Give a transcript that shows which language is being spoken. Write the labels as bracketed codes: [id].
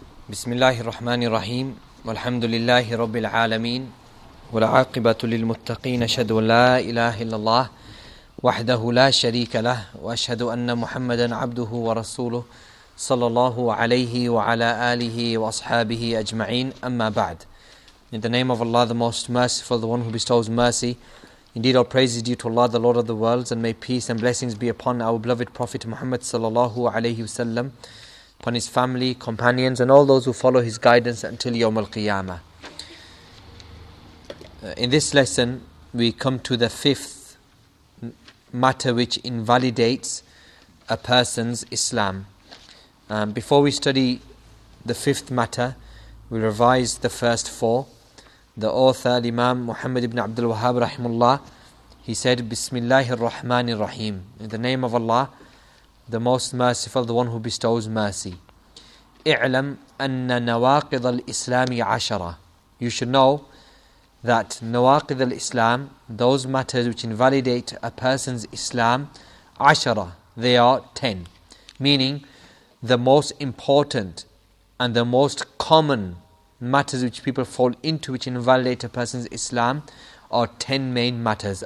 [ar] بسم الله الرحمن الرحيم والحمد لله رب العالمين والعاقبة للمتقين أشهد أن لا إله إلا الله وحده لا شريك له وأشهد أن محمدا عبده ورسوله صلى الله عليه وعلى آله وأصحابه أجمعين أما بعد. [en] In the name of Allah, the Most Merciful, the One who bestows mercy. Indeed, all praise is due to Allah, the Lord of the worlds, and may peace and blessings be upon our beloved Prophet Muhammad sallallahu alayhi wasallam, upon his family, companions, and all those who follow his guidance until Yawm al-Qiyamah. In this lesson, we come to the fifth matter which invalidates a person's Islam. Before we study the fifth matter, we revise the first four. The author, Imam Muhammad ibn Abdul Wahhab, rahimullah, he said, Bismillahir Rahmanir Rahim, in the name of Allah, the Most Merciful, the One who bestows mercy. [ar] اعلم أن نواقض الإسلام عشرة. [en] You should know that نواقض الإسلام, those matters which invalidate a person's Islam, عشرة, they are 10. Meaning, the most important and the most common matters which people fall into which invalidate a person's Islam are 10 main matters.